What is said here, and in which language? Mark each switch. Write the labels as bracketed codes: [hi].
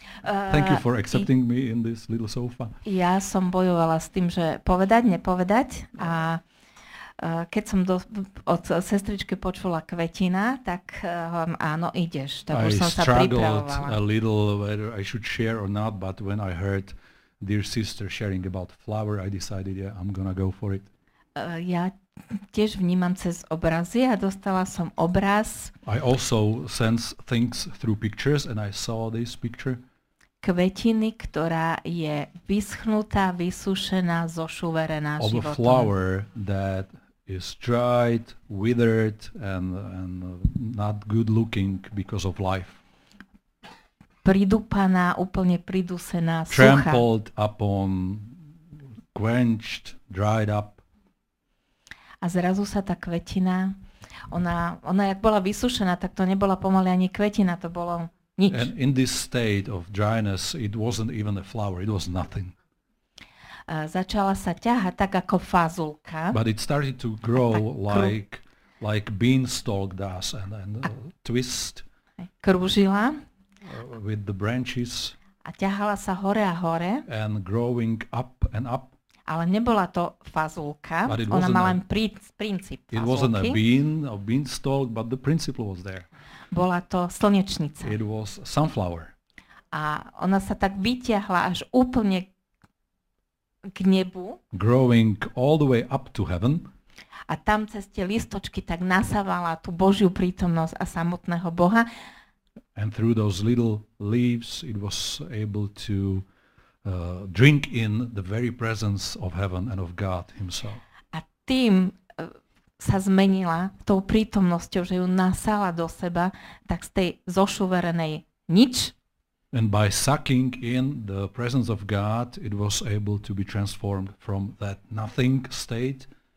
[en] Thank you for accepting me in this little sofa. [sk] Ja som bojovala s tým, že povedať, nepovedať a keď som od sestričky počula kvetina, tak hovorím, áno, ideš. Tak už [en] I [sk] som sa [en] struggled a little whether I should share or not, but when I heard dear sister sharing about flower, I decided, yeah, I'm gonna go for it. [sk] Ja tiež vnímam cez obrazy a dostala som obraz. [en] I also sense things through pictures and I saw this picture. [sk] Kvetiny, ktorá je vyschnutá, vysušená, zošuverená životom. [en] Of a flower that is dried, withered and not good looking because of life. [sk] Pridupaná, úplne pridusená, suchá. [en] Trampled upon, quenched, dried up. [sk] A zrazu sa tá kvetina, ona jak bola vysušená, tak to nebola pomaly ani kvetina, to bolo nič. [en] And in this state of dryness, it wasn't even a flower, it was nothing. [sk] Začala sa ťahať tak ako fazulka. [en] But it started to grow like beanstalk does and twist. [sk] Krúžila. [en] With the branches. [sk] A ťahala sa hore a hore. [en] And growing up and up. [sk] Ale nebola to fazulka, ona mala len princíp fazulky. [en] It wasn't a bean or beanstalk, but the principle was there. [sk] Bola to slnečnica. [en] It was sunflower. [sk] A ona sa tak vytiahla až úplne k nebu. [en] Growing all the way up to heaven. [sk] A tam cez tie listočky tak nasávala tú Božiu prítomnosť a samotného Boha. [en] And through those little leaves it was able to drink in the very presence of heaven and of God himself. [sk] A tým sa zmenila tou prítomnosťou, že ju nasala do seba, tak z tej zošuverenej nič. [en] And by sucking in the presence of God, it was able to be transformed from that nothing state.